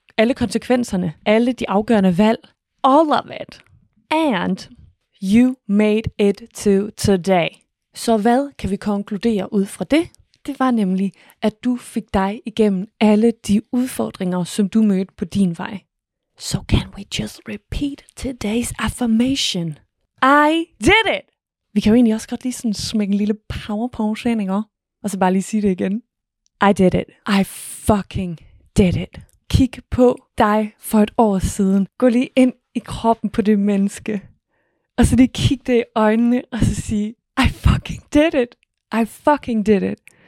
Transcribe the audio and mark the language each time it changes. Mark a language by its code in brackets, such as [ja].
[da] Alle konsekvenserne, alle de afgørende valg, [en] all of it. And you made it to today. [da] Så hvad kan vi konkludere ud fra det? Det var nemlig, at du fik dig igennem alle de udfordringer, som du mødte på din vej. [en] So can we just repeat today's affirmation? I did it! [da] Vi kan jo egentlig også godt lige sådan smække en lille powerpause ind, ikke? Og så bare lige sige det igen. [en] I did it. I fucking did it. [da] Kig på dig for et år siden. Gå lige ind i kroppen på det menneske. Og så lige kig det i øjnene og så sige, [en] I fucking did it. I fucking did it.